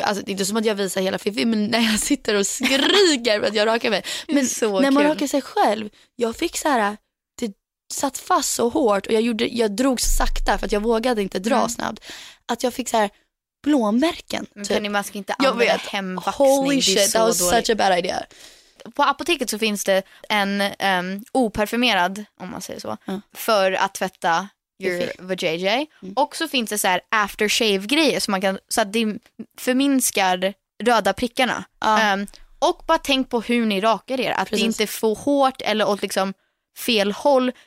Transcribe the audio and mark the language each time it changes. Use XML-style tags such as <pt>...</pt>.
<sv>Alltså, det är inte som att jag visar hela Fifi, men när jag sitter och skriker för att jag rakar mig. Men så när man rakar sig själv, jag fick så här... satt fast så hårt och jag drog så sakta för att jag vågade inte dra snabbt att jag fick så här blåmärken. Men Penny Mask inte använda hemvaxning.</sv> <en>Holy shit, that was such a bad idea.</en> <sv>På apoteket så finns det en oparfumerad, om man säger så, för att tvätta</sv> <en>your vajayjay.</en> <sv>Och så finns det så här aftershave grejer som man kan, så att det förminskar röda prickarna. Och bara tänk på hur ni rakar er, att det inte får hårt eller åt liksom fel håll.</sv>